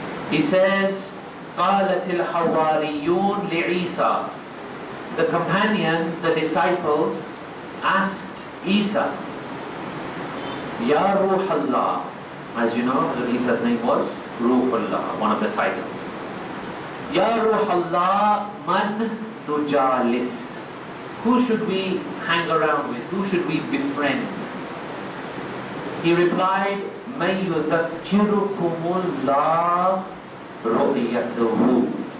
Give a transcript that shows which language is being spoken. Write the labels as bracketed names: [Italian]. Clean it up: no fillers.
[English] He says, [Arabic] قَالَتِ الْحَوَّارِيُّونَ لِعِيسَى. [English] The companions, the disciples, asked Isa, [Arabic] يَا رُوحَ اللَّهِ. [English] As you know, Isa's name was رُوحُ اللَّهِ, one of the titles. [Arabic] يَا رُوحَ اللَّهِ مَنْ نُجَالِسْ. [English] Who should we hang around with? Who should we befriend? He replied, [Arabic] مَنْ يُذَكِّرُكُمُ اللَّهِ رُؤِيَتُهُ.